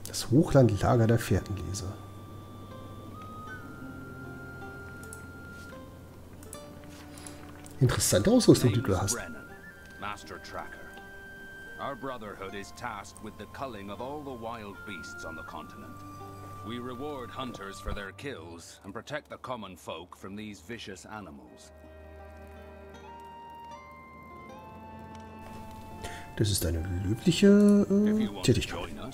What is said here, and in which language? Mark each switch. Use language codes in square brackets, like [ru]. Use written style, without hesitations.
[de] Hochlandlager der Fährtenleser. Interessante Ausrüstung, die du hast. [en] Brennan, Master Tracker. Our Brotherhood is tasked with the culling of all the wild beasts on the continent. We reward hunters for their kills and protect the common folk from these vicious animals. [de] Das ist eine löbliche Tätigkeit.